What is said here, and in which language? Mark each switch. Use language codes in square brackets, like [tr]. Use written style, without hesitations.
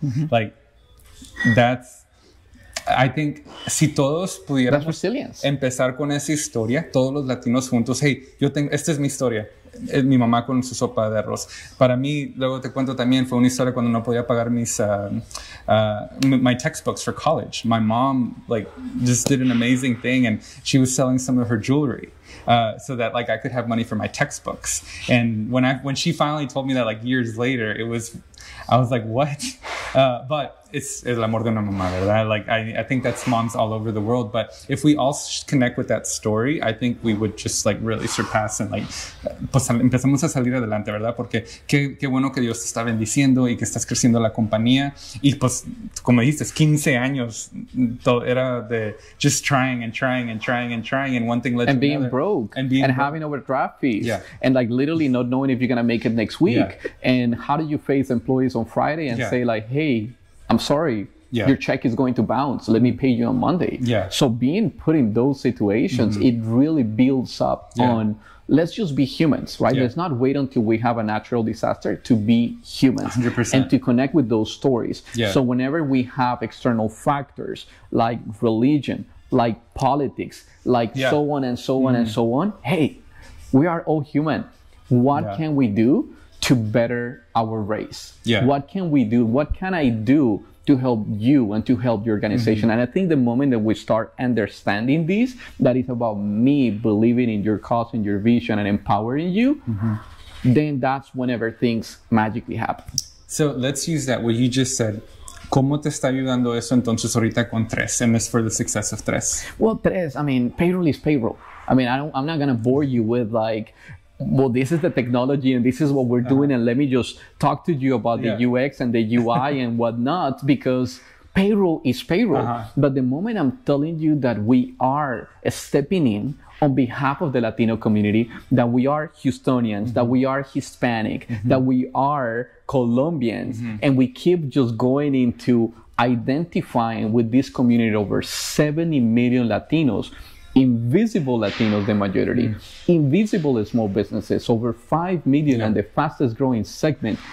[es] Mm-hmm. [en] Like, that's, I think, [es] si todos pudiéramos empezar con esa historia, todos los latinos juntos, hey, yo tengo, esta es mi historia, es mi mamá con su sopa de arroz. Para mí, luego te cuento también, fue una historia cuando no podía pagar mis, [en] my textbooks for college. My mom, like, just did an amazing thing and she was selling some of her jewelry. So that like I could have money for my textbooks, and when she finally told me that like years later, I was like, what? But it's [es] el amor de una mamá, ¿verdad? [en] Like, I think that's moms all over the world. But if we all connect with that story, I think we would just, like, really surpass and, like, [es] pues, empezamos a salir adelante, ¿verdad? Porque qué bueno que Dios te está bendiciendo y que estás creciendo la compañía. Y, pues, como dijiste, 15 años todo era de [en] just trying. And one thing led to another. And being broke. And being having overdraft fees. Yeah. And, like, literally not knowing if you're going to make it next week. Yeah. And how do you face employees on Friday and say, like, hey, I'm sorry, your check is going to bounce. Let me pay you on Monday. Yeah. So being put in those situations, it really builds up on, let's just be humans, right? Yeah. Let's not wait until we have a natural disaster to be humans. 100%. And to connect with those stories. Yeah. So whenever we have external factors like religion, like politics, like so on and so on and so on, hey, we are all human. What can we do to better our race? Yeah. What can we do? What can I do to help you and to help your organization? Mm-hmm. And I think the moment that we start understanding this, that it's about me believing in your cause and your vision and empowering you, then that's whenever things magically happen. So let's use that, what you just said. [es] ¿Cómo te está ayudando eso entonces ahorita con Trez? [en] And it's for the success of Trez. Well, Trez, I mean, payroll is payroll. I mean, I'm not gonna bore you with, like, well, this is the technology and this is what we're doing, and let me just talk to you about the UX and the UI and whatnot, because payroll is payroll. But the moment I'm telling you that we are stepping in on behalf of the Latino community, that we are Houstonians, that we are Hispanic, that we are Colombians, and we keep just going into identifying with this community, over 70 million Latinos, invisible Latinos, the majority, invisible small businesses, over 5 million and the fastest growing segment.